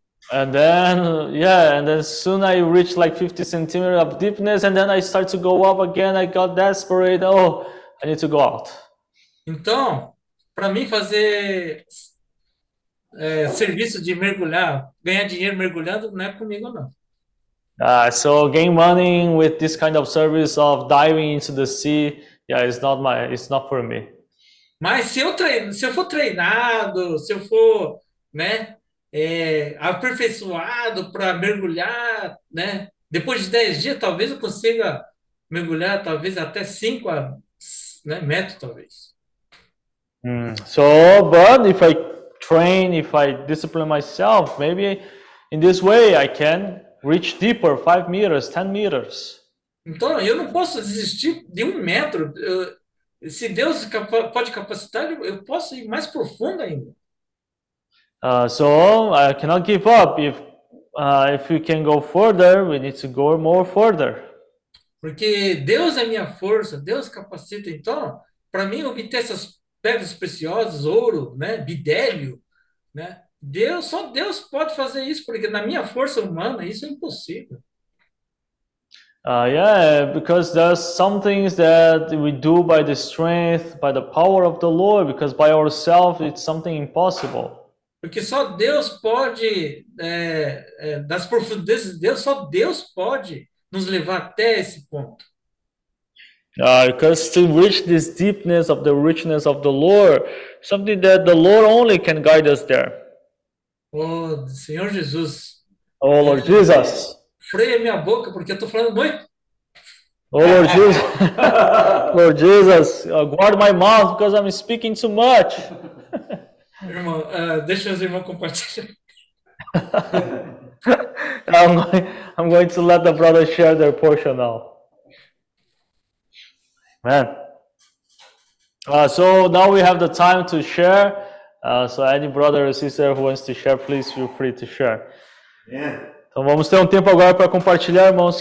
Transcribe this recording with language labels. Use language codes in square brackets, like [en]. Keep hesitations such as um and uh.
[en] And then, yeah, and then soon I reach like 50 centimeter of deepness, and then I start to go up again. I got desperate. Oh, I need to go out. [pt] Então, para mim fazer é, serviço de mergulhar, ganhar dinheiro mergulhando, não é comigo, não. [en] Ah, uh, so game running with this kind of service of diving into the sea, yeah, it's not my, it's not for me. [pt] Mas se eu treino, se eu for treinado, se eu for, né, é, aperfeiçoado para mergulhar, né, depois de 10 dias, talvez eu consiga mergulhar, talvez até 5, né, metros, talvez. [en] Hmm. So, but if I train, if I discipline myself, maybe in this way I can reach deeper, five meters, ten meters. [pt] Então, eu não posso desistir de um metro. Eu, se Deus pode capacitar, eu posso ir mais profundo ainda. [en] Uh, so I cannot give up. If uh, if we can go further, we need to go more further. [pt] Porque Deus é minha força, Deus capacita. Então, para mim obter essas pedras preciosas, ouro, né, bidélio, né? Deus, só Deus pode fazer isso, porque na minha força humana isso é impossível. [en] Uh, yeah, because there's some things that we do by the strength, by the power of the Lord, because by ourselves it's something impossible. [pt] Porque só Deus pode, é, é, das profundezas de Deus, só Deus pode nos levar até esse ponto. [en] Uh, because to reach this deepness of the richness of the Lord, something that the Lord only can guide us there. [pt] Oh, Senhor Jesus. [en] Oh, Lord Jesus. [pt] Freia minha boca porque eu estou falando muito. [en] Oh, Lord Jesus. Lord Jesus, uh, guard my mouth because I'm speaking too much. [pt] Irmão, uh, deixa os irmãos compartilhar. [en] I'm, going, I'm going to let the brother share their portion now. Man. Uh, so now we have the time to share. Uh, so any brother or sister who wants to share, please feel free to share. Yeah. [pt] Então vamos ter um tempo agora para compartilhar, irmãos.